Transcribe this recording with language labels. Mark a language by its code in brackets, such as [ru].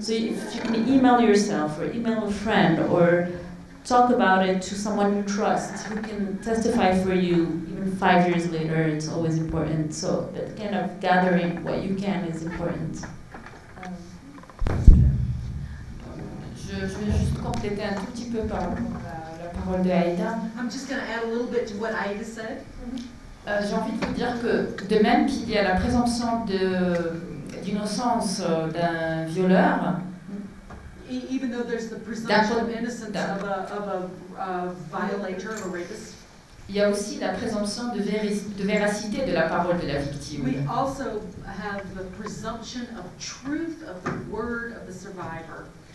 [en] So if you can email yourself or email a friend or talk about it to someone you trust who can testify for you even 5 years later, it's always important. So that kind of gathering what you can is important. [fr] Je je vais juste compléter un tout petit peu par la parole d'Aïda. [en] I'm just going to add a little bit to what Aïda said. [fr] J'ai envie de vous dire que de même qu'il y a la présomption d'innocence d'un violeur, [en] even though there's the presumption of innocence of a violator or rapist, [fr] il y a aussi la présomption de véracité de la parole de la victime. [en] We also have the presumption of truth of the word of the survivor.